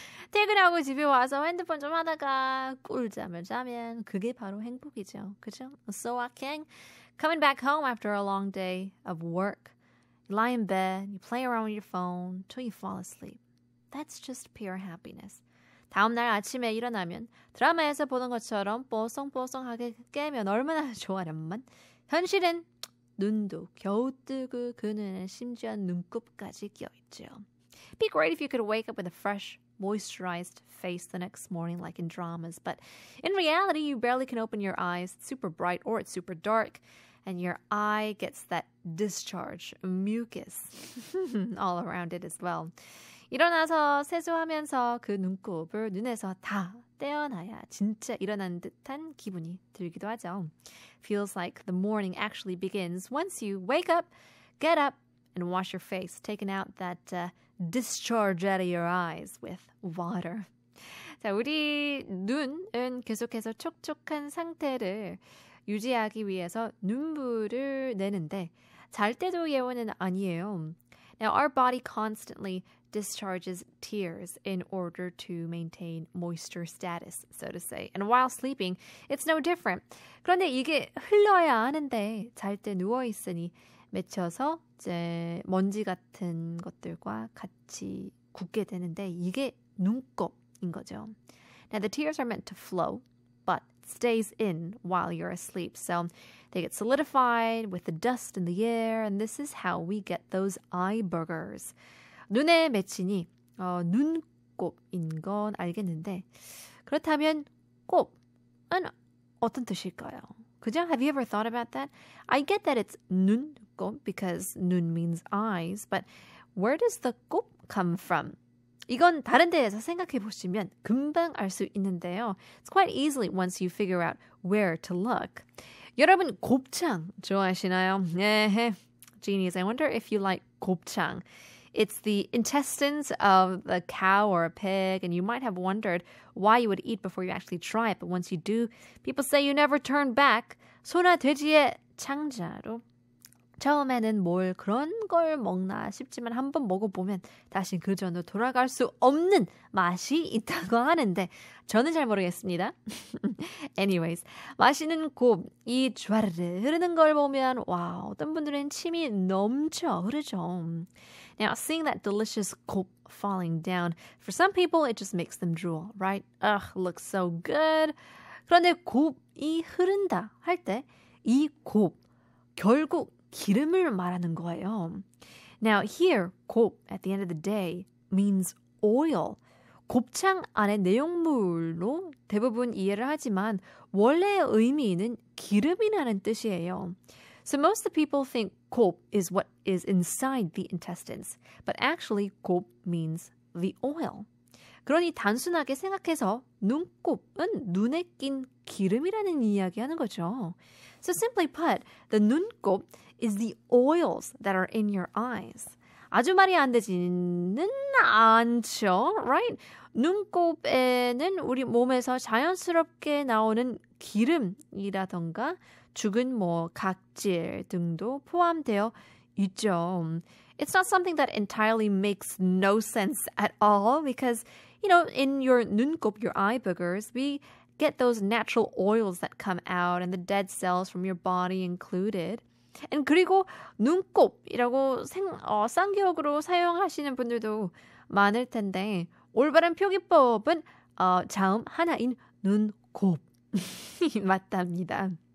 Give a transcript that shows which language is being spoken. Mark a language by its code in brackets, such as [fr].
[ko] 퇴근하고 집에 와서 핸드폰 좀 하다가 꿀잠을 자면 그게 바로 행복이죠. 그죠? [en] So I can coming back home after a long day of work. You lie in bed, you play around with your phone till you fall asleep. That's just pure happiness. [ko] 다음 날 아침에 일어나면 드라마에서 보는 것처럼 뽀송뽀송하게 깨면 얼마나 좋아련만. 현실은 눈도 겨우 뜨고 그 눈에 심지어 눈곱까지 껴있죠. [en] Be great if you could wake up with a fresh, moisturized face the next morning like in dramas. But in reality, you barely can open your eyes. It's super bright or it's super dark. And your eye gets that discharge, mucus, all around it as well. [ko] 일어나서 세수하면서 그 눈곱을 눈에서 다 떼어놔야 진짜 일어난 듯한 기분이 들기도 하죠. [en] Feels like the morning actually begins once you wake up, get up, and wash your face, taking out that discharge out of your eyes with water. [ko] 자, 우리 눈은 계속해서 촉촉한 상태를 유지하기 위해서 눈물을 내는데 잘 때도 예외는 아니에요. [en] Now, our body constantly discharges tears in order to maintain moisture status, so to say. And while sleeping, it's no different. [ko] 그런데 이게 흘러야 하는데 잘 때 누워 있으니 맺혀서 이제 먼지 같은 것들과 같이 굳게 되는데 이게 눈곱인 거죠. [en] Now, the tears are meant to flow, but stays in while you're asleep. So they get solidified with the dust in the air, and this is how we get those eye boogers. [ko] 눈에 맺히니 눈곱인 건 알겠는데 그렇다면 곱은 어떤 뜻일까요? 그죠? [en] Have you ever thought about that? I get that it's 눈곱 because 눈 means eyes, but where does the 곱 come from? [ko] 이건 다른 데에서 생각해 보시면 금방 알 수 있는데요. [en] It's quite easily once you figure out where to look. [ko] 여러분 곱창 좋아하시나요? 에헤. [en] Genies, I wonder if you like 곱창. It's the intestines of the cow or a pig, and you might have wondered why you would eat before you actually try it. But once you do, people say you never turn back. [ko] 소나 돼지의 창자로. 처음에는 뭘 그런 걸 먹나 싶지만 한번 먹어보면 다시 그 전으로 돌아갈 수 없는 맛이 있다고 하는데 저는 잘 모르겠습니다. [en] Anyways, [ko] 맛있는 곱, 이 주아르르 흐르는 걸 보면 와, 어떤 분들은 침이 넘쳐 흐르죠. [en] Now, seeing that delicious 곱 falling down, for some people, it just makes them drool, right? Ugh, looks so good. [ko] 그런데 곱이 흐른다 할 때 이 곱, 결국 기름을 말하는 거예요. [en] Now here, 곱, at the end of the day, means oil. [ko] 곱창 안에 내용물로 대부분 이해를 하지만 원래의 의미는 기름이라는 뜻이에요. [en] So most of the people think 곱 is what is inside the intestines. But actually, 곱 means the oil. [ko] 그러니 단순하게 생각해서 눈곱은 눈에 낀 기름이라는 이야기 하는 거죠. [en] So simply put, the 눈곱 is the oils that are in your eyes. [ko] 아주 말이 안 되지는 않죠, [en] right? [ko] 눈곱에는 우리 몸에서 자연스럽게 나오는 기름이라던가 죽은 뭐 각질 등도 포함되어 있죠. [en] It's not something that entirely makes no sense at all because, you know, in your 눈곱, your eye boogers, we get those natural oils that come out and the dead cells from your body included. [ko] And 그리고 눈곱이라고 쌍기역으로 사용하시는 분들도 많을 텐데 올바른 표기법은 자음 하나인 눈곱 맞답니다.